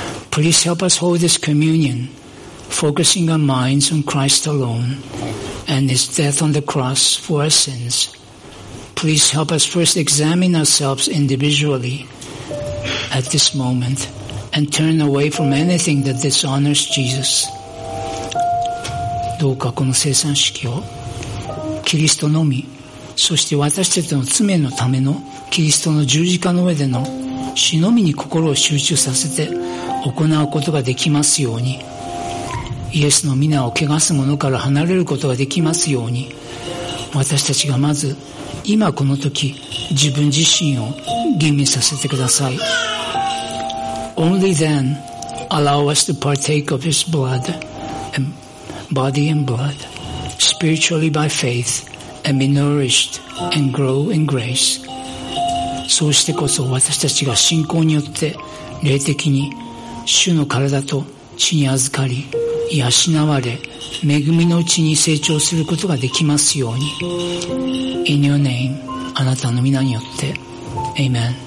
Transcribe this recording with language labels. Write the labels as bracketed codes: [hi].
[en] Please help us hold this communion, focusing our minds on Christ alone and His death on the cross for our sins. Please help us first examine ourselves individually at this moment and turn away from anything that dishonors Jesus. [ja] どうかこの聖餐式をキリストのみ、そして私たちの罪のためのキリストの十字架の上での死のみに心を集中させて行うことができますように、イエスの御名を汚す者から離れることができますように、私たちがまず今この時自分自身を吟味させてください。 [en] Only then allow us to partake of His blood and body and blood spiritually by faith and be nourished and grow in grace。 [ja] そうしてこそ私たちが信仰によって霊的に主の体と血に預かり、養われ、恵みのうちに成長することができますように。 [en] In your name、 [ja] あなたの皆によって。Amen.